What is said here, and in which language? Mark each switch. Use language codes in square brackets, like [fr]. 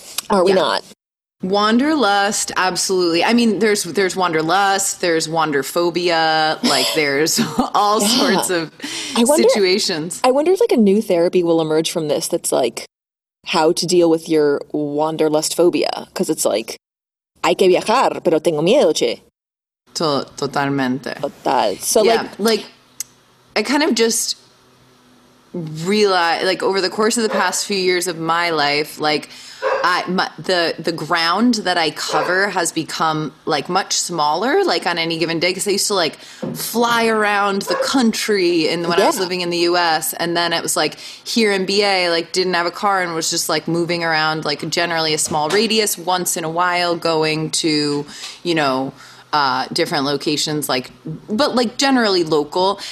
[en] Are we not? Wanderlust, absolutely. I mean, there's wanderlust, there's wanderphobia, like there's all sorts of situations. I wonder if like a new therapy will emerge from this that's like how to deal with your wanderlust phobia. Because it's like, [es] hay que viajar, pero tengo miedo, che. Totalmente. [en] Total. So yeah, like, I kind of just realized, like over the course of the past few years of my life, like, the ground that I cover has become like much smaller, like on any given day. Cause I used to like fly around the country in the, when I was living in the US, and then it was like here in BA, like didn't have a car and was just like moving around like generally a small radius once in a while going to, you know, different locations, like, but like generally local.